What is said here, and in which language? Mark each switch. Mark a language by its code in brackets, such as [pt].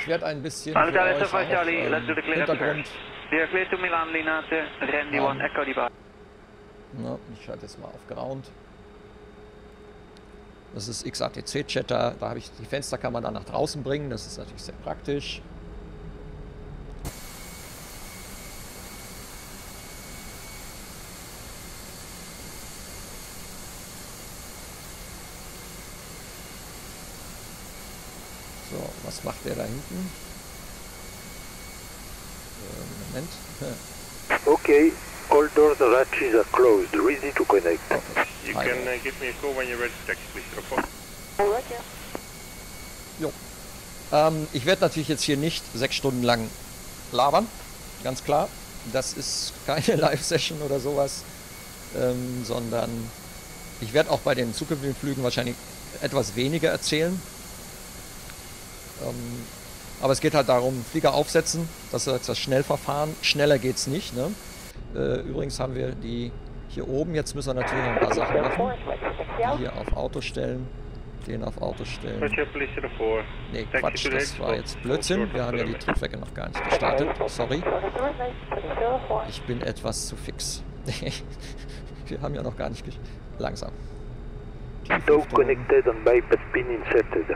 [de] Ich werde ein bisschen für euch auch, Hintergrund. [en] We are clear to Milan, Linate, Randy 1, Echo Dubai. [de] No, ich schalte jetzt mal auf Ground. Das ist XATC-Chatter. Da habe ich die Fenster, kann man dann nach draußen bringen. Das ist natürlich sehr praktisch. So, was macht der da hinten? Moment. [en] Okay, all doors and latches are closed, ready to connect. You can give me a call when you're ready to check, please. Roger. [de] Jo. Ich werde natürlich jetzt hier nicht 6 Stunden lang labern, ganz klar. Das ist keine Live-Session oder sowas, sondern ich werde auch bei den zukünftigen Flügen wahrscheinlich etwas weniger erzählen. Aber es geht halt darum, Flieger aufsetzen, das ist das Schnellverfahren. Schneller geht es nicht. Ne? Übrigens haben wir die hier oben. Jetzt müssen wir natürlich noch ein paar Sachen machen. Hier auf Auto stellen, den auf Auto stellen. Nee, Quatsch, das war jetzt Blödsinn. Wir haben ja die Triebwerke noch gar nicht gestartet. Sorry. Ich bin etwas zu fix. Wir haben ja noch gar nicht langsam. [en] Tow connected and bypass pin inserted.